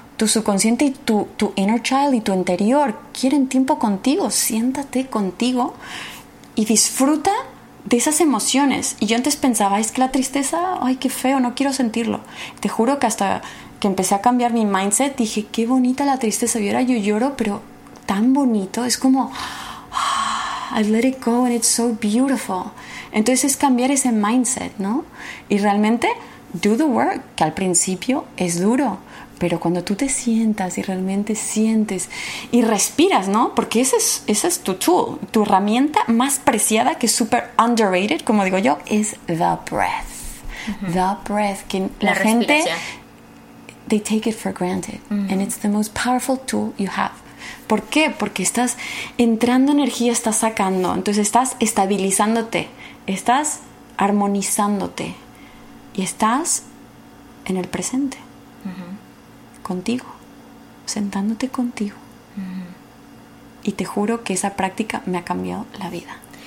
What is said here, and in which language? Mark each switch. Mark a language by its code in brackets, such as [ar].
[es] tu subconsciente y tu [en] inner child [es] y tu interior quieren tiempo contigo. Siéntate contigo y disfruta de esas emociones. Y yo antes pensaba, es que la tristeza, ay, qué feo, no quiero sentirlo. Te juro que hasta que empecé a cambiar mi mindset, dije, qué bonita la tristeza. Y ahora yo lloro, pero tan bonito. Es como, [en] oh, I let it go and it's so beautiful. [es] Entonces es cambiar ese mindset, ¿no? Y realmente, [en] do the work, [es] que al principio es duro. Pero cuando tú te sientas y realmente sientes y respiras, ¿no? Porque ese es tu tool, tu herramienta más preciada, que es súper underrated, como digo yo, es [en] the breath. Uh-huh. The breath. [es] Que la gente, [en] they take it for granted. Uh-huh. And it's the most powerful tool you have. [es] ¿Por qué? Porque estás entrando energía, estás sacando. Entonces estás estabilizándote, estás armonizándote y estás en el presente. Uh-huh. Contigo, sentándote contigo. Uh-huh. Y te juro que esa práctica me ha cambiado la vida.